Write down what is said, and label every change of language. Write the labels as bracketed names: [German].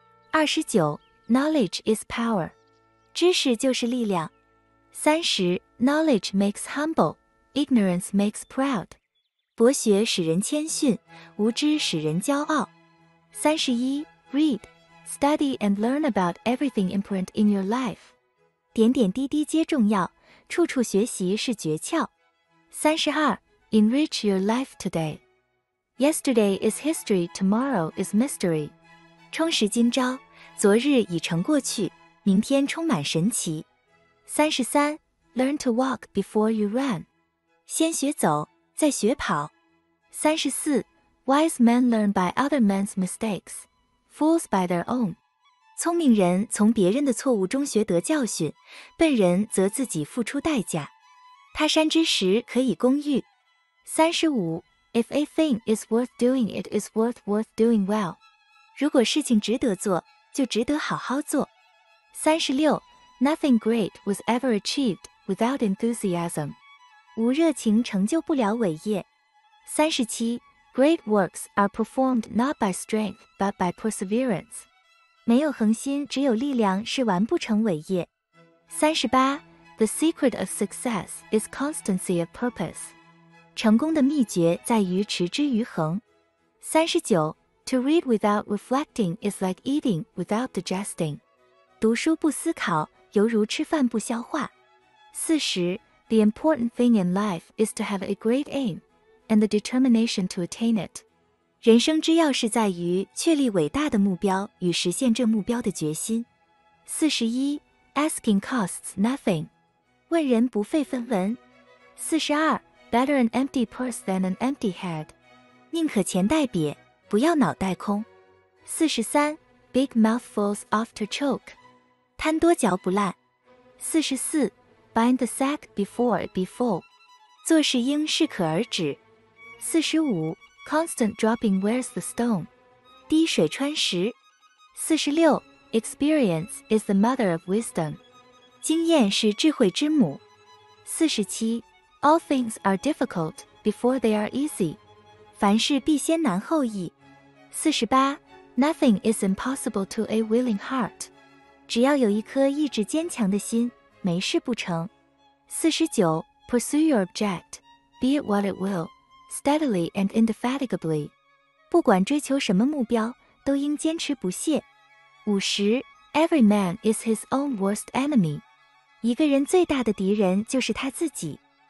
[English] 二十九Knowledge is power. [Chinese] 知识就是力量。 [English] 三十 ,knowledge makes humble, ignorance makes proud. [Chinese] 博学使人谦逊，无知使人骄傲。 [English] 三十一 ,read, study and learn about everything important in your life. [Chinese] 点点滴滴皆重要，处处学习是诀窍。 [English] 三十二 ,enrich your life today. Yesterday is history, tomorrow is mystery. [Chinese] 充实今朝。昨日已成过去，明天充满神奇。 [English] 三十三 ,learn to walk before you run. [Chinese] 先学走，再学跑。 [English] 三十四 ,wise men learn by other men's mistakes, fools by their own. [Chinese] 聪明人从别人的错误中学得教训，笨人则自己付出代价。他山之石可以攻玉。 [English] 三十五 ,if a thing is worth doing, it is worth doing well. [Chinese] 如果事情值得做，就值得好好做。 [English] 三十六 ,nothing great was ever achieved without enthusiasm. [Chinese] 无热情成就不了伟业。 [English] 三十七 ,great works are performed not by strength, but by perseverance. [Chinese] 没有恒心只有力量是完不成伟业。 [English] 三十八 ,the secret of success is constancy of purpose. [Chinese] 成功的秘诀在于持之于恒。 [English] 三十九To read without reflecting is like eating without digesting. [Chinese] 读书不思考，犹如吃饭不消化。 [English] 四十 ,the important thing in life is to have a great aim, and the determination to attain it. [Chinese] 人生之要是在于确立伟大的目标与实现这目标的决心。 [English] 四十一 ,asking costs nothing. [Chinese] 问人不费分文。 [English] 四十二 ,better an empty purse than an empty head. [Chinese] 宁可钱袋瘪。不要脑袋空。 [English] 四十三 ,big mouthfuls after choke. [Chinese] 贪多嚼不烂。 [English] 44. Bind the sack before be full. [Chinese] 做事应适可而止。 [English] 45. Constant dropping wears the stone. [Chinese] 滴水穿石。 [English] 46. Experience is the mother of wisdom. [Chinese] 经验是智慧之母。47. [English] All things are difficult before they are easy. [Chinese] 凡事必先难后易。 [English] 48. Nothing is impossible to a willing heart. [Chinese] 只要有一颗意志坚强的心，没事不成。 49. [English] Pursue your object, be it what it will, steadily and indefatigably. [Chinese] 不管追求什么目标，都应坚持不懈。 [English] 50. Every man is his own worst enemy. [Chinese] 一个人最大的敌人就是他自己。